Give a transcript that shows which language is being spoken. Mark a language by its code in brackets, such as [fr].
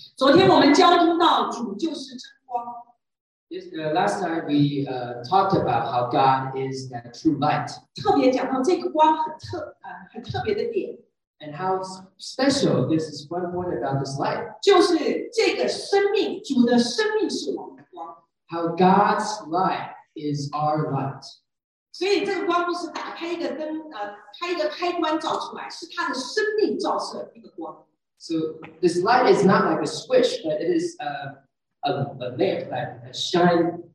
[zh] 昨天我们交通到主就是真光。 [en] Last time we talked about how God is that true light. [zh] 特别讲到这个光很特别的点。 [en] And how special this is one point about this light. [zh] 就是这个生命，主的生命是我们的光。 [en] How God's light is our light. [zh] 所以这个光不是打开一个灯，开一个开关照出来，是他的生命照射一个光。 [en] So this light is not like a switch, but it is a lamp that shines.